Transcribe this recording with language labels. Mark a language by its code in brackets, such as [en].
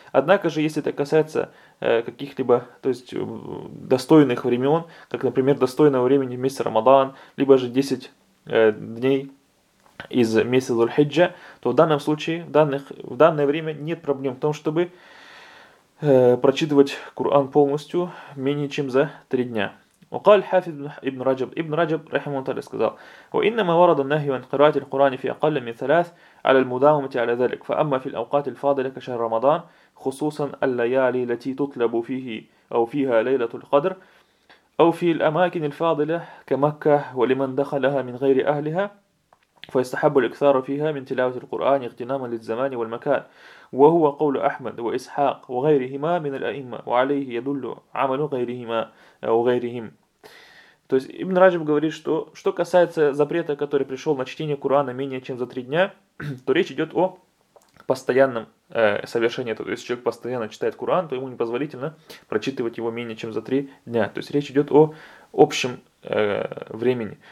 [ru] Однако же, если это касается каких-либо, то есть достойных времен, как, например, достойного времени в месяц Рамадан, либо же 10 дней из месяца Зуль-Хиджа, то в данном случае, в данное время нет проблем в том, чтобы прочитывать Куран полностью менее чем за три дня. [ar] وقال حافظ ابن رجب رحمه الله [ru] сказал: [ar] وإنما ورد النهي عن قراءة القرآن في أقل من ثلاث على المداومة على ذلك. فأما في الأوقات الفاضلة كشهر رمضان خصوصا الليالي التي تطلب فيه أو فيها ليلة القدر أو في الأماكن الفاضلة كمكة ولمن دخلها من غير أهلها فيستحب الإكثار فيها من تلاوة القرآن اغتناما للزمان والمكان وهو قول أحمد وإسحاق وغيرهما من الأئمة وعليه يدل عمل غيرهما أو غيرهم. [ru] То есть Ибн Раджаб говорит, что что касается запрета, который пришел на чтение Курана менее чем за три дня, то речь идет о постоянном совершении этого. То есть человек постоянно читает Куран, то ему непозволительно прочитывать его менее чем за три дня. То есть речь идет о общем времени.